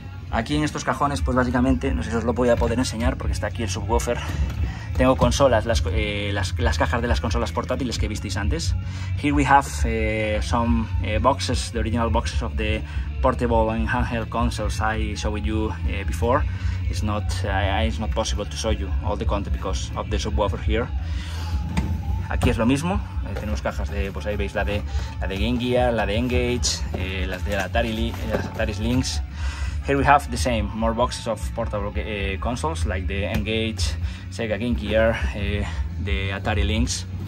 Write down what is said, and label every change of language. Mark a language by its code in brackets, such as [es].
[es] Aquí en estos cajones, pues básicamente, no sé si os lo voy a poder enseñar porque está aquí el subwoofer. Tengo consolas, las cajas de las consolas portátiles que visteis antes. [en] Here we have some boxes, the original boxes of the portable and handheld consoles I showed you before. It's not possible to show you all the content because of the subwoofer here. [es] Aquí es lo mismo, tenemos cajas de, pues ahí veis la de Game Gear, la de Engage, las de Atari Lynx. [en] Here we have the same, more boxes of portable consoles like the N-Gage, Sega Game Gear, the Atari Lynx.